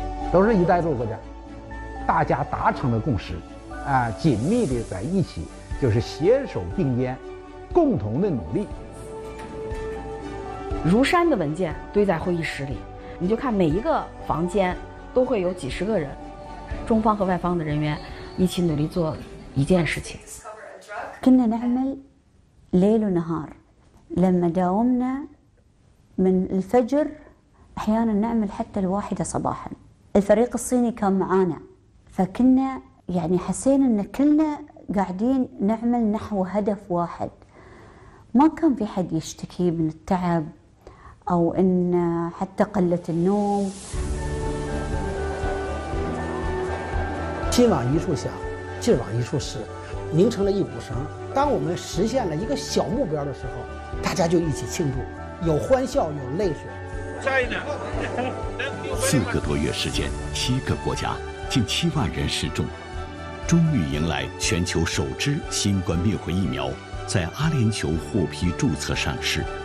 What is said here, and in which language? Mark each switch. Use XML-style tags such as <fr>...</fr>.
<zh>都是一带一路国家，大家达成了共识，啊，紧密地在一起，就是携手并肩，共同的努力。如山的文件堆在会议室里，你就看每一个房间都会有几十个人，中方和外方的人员一起努力做一件事情。</zh> <ar>كنا نعمل ليل ونهار لما داومنا من الفجر أحيانا نعمل حتى الواحدة صباحا. الفريق الصيني كان معانا فكنا يعني حسينا ان كلنا قاعدين نعمل نحو هدف واحد ما كان في حد يشتكي من التعب او ان حتى قلة النوم</ar> <zh>今晚一处响今晚一处事凝成了一股绳当我们实现了一个小目标的时候大家就一起庆祝有欢笑有泪水 4个多月时间，7个国家近7万人试种，终于迎来全球首支新冠灭活疫苗在阿联酋获批注册上市。</zh>